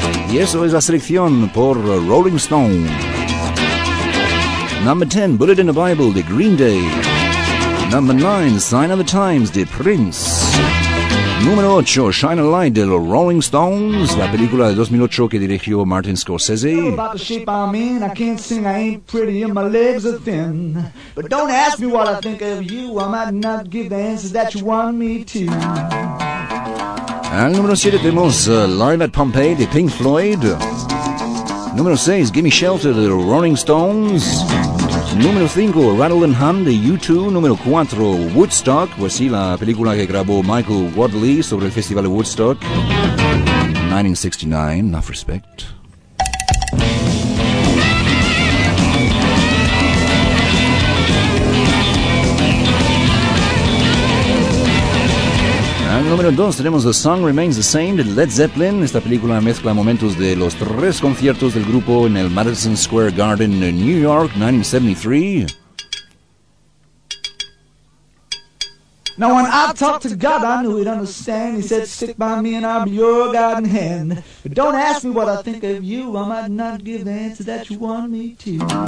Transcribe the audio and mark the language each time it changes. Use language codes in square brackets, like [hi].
[es] Y eso es la selección por Rolling Stone. [en] Number 10, [es] Bullet in the Bible, de Green Day. [en] Number 9, [es] Sign of the Times, de Prince. Número 8, Shine a Light, de los Rolling Stones, la película de 2008 que dirigió Martin Scorsese. [en] About the shape I'm in, I can't sing, I ain't pretty and my legs are thin. But don't ask me what I think of you, I might not give the answers that you want me to. [es] Al número 7 tenemos Live at Pompeii, de Pink Floyd. Número 6, Gimme Shelter, de los Rolling Stones. Número 5, Rattle and Hum, de U2. Número 4, Woodstock. Pues sí, la película que grabó Michael Wadley sobre el festival de Woodstock. 1969, [en] enough respect. [es] Número número 2 tenemos The Song Remains the Same de Led Zeppelin. Esta película mezcla momentos de los tres conciertos del grupo en el Madison Square Garden en New York, 1973. [en] Now when I talked to God, I knew he'd understand. He said, stick by me and I'll be your God in hand. But don't ask me what I think of you. I might not give the answer that you want me to.